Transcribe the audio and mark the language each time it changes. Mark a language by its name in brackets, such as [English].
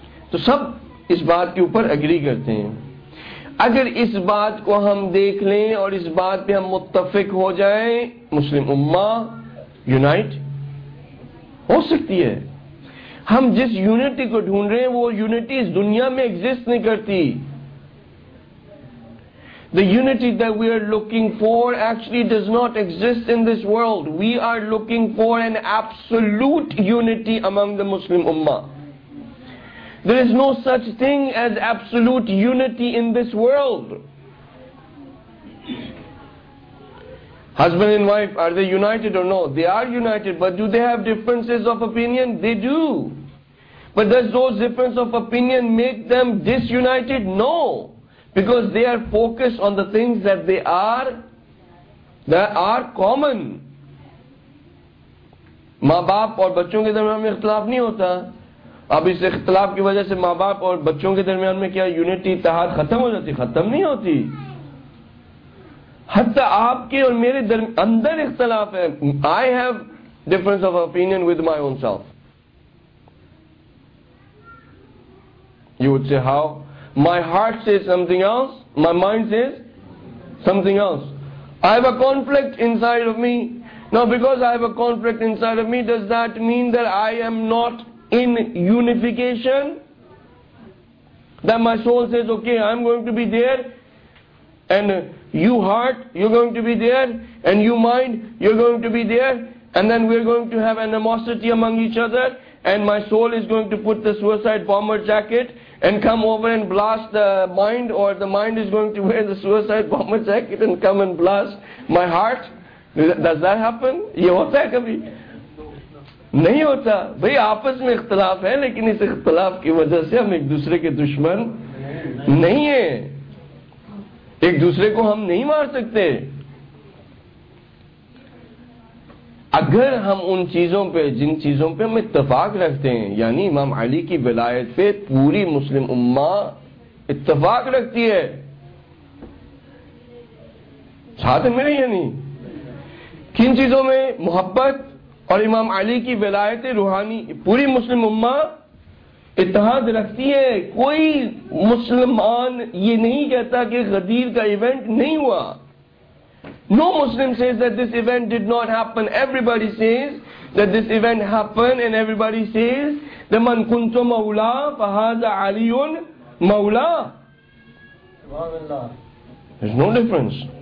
[Urdu] تو سب اس بات کے اوپر اگری کرتے ہیں. اگر اس بات کو ہم دیکھ لیں اور اس بات پہ ہم متفق ہو جائیں, مسلم امہ یونائٹ ہو سکتی ہے. ہم جس یونٹی کو ڈھونڈ رہے ہیں وہ یونٹی اس دنیا میں ایگزسٹ نہیں کرتی. [English] The unity that we are looking for actually does not exist in this world. We are looking for an absolute unity among the Muslim Ummah. There is no such thing as absolute unity in this world. Husband and wife, are they united or no? They are united, but do they have differences of opinion? They do. But does those differences of opinion make them disunited? No. Because they are focused on the things that are common. [Urdu] Maa baap aur bachon ke darmiyan mein ikhtilaf nahi hota. اب اس اختلاف کی وجہ سے ماں باپ اور بچوں کے درمیان میں کیا یونٹی اتحاد ختم ہو جاتی؟ ختم نہیں ہوتی. حتی آپ کے اور میرے اندر اختلاف ہے. [English] I have difference of opinion with my own self. You would say how? My heart says something else. My mind says something else. I have a conflict inside of me. Now because I have a conflict inside of me, does that mean that I am not in unification? That my soul says, okay, I'm going to be there, and you heart, you're going to be there, and you mind, you're going to be there, and then we're going to have animosity among each other, and my soul is going to put the suicide bomber jacket and come over and blast the mind, or the mind is going to wear the suicide bomber jacket and come and blast my heart. Does that happen? [Urdu] Yeh hota hai kabhi? نہیں ہوتا بھئی, آپس میں اختلاف ہے لیکن اس اختلاف کی وجہ سے ہم ایک دوسرے کے دشمن نہیں ہیں, ایک دوسرے کو ہم نہیں مار سکتے. اگر ہم ان چیزوں پہ جن چیزوں پہ ہم اتفاق رکھتے ہیں, یعنی امام علی کی ولایت پہ پوری مسلم امہ اتفاق رکھتی ہے, ساتھ میں نہیں, یعنی کن چیزوں میں؟ محبت اور امام علی کی ولایت روحانی. پوری مسلم امہ اتحاد رکھتی ہے, کوئی مسلمان یہ نہیں کہتا کہ غدیر کا ایونٹ نہیں ہوا. [English] No Muslim says that this event did not happen. Everybody says that this event happened, and everybody says that [Arabic] man kuntu maula fa hadha aliyun maula. [English] There's no difference.